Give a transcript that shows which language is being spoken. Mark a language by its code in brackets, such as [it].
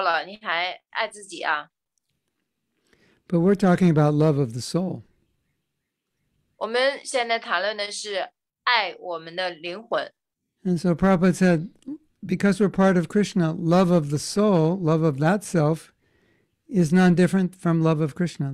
[zh] 就是你已经那么糟糕了，你还爱自己啊？ [en] But we're talking about love of the soul. [zh] 我们现在谈论的是爱我们的灵魂。 [en] And so Prabhupada said, because we're part of Krishna, love of the soul, love of that self, is none different from love of Krishna.